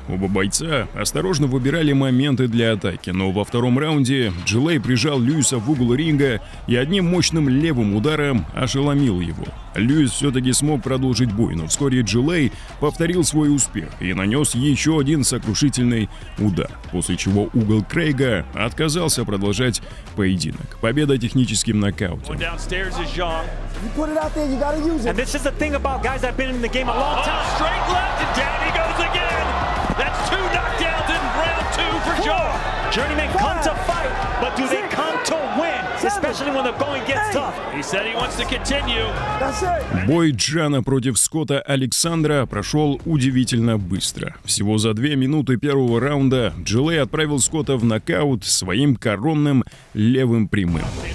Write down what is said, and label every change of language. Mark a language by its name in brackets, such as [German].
[Russian] Оба бойца осторожно выбирали моменты для атаки, но во втором раунде Джилей прижал Льюиса в угол ринга и одним мощным левым ударом ошеломил его. Льюис все-таки смог продолжить бой, но вскоре Джилей повторил свой успех и нанес еще один сокрушительный удар, после чего угол Крейга отказался продолжать поединок. Победа техническим нокаутом. [English] You put it out there, you gotta use it. And this is the thing about guys that have been in the game a long time. Straight left and down he goes again. That's two knockdowns in round two for Jaw. Journeyman come to fight, but do they come to win? Especially when the going gets tough. He said he wants to continue. That's it. [Russian] Бой Джана против Скотта Александра прошел удивительно быстро. Всего за 2 минуты первого раунда Джилей отправил Скотта в нокаут своим коронным левым прямым.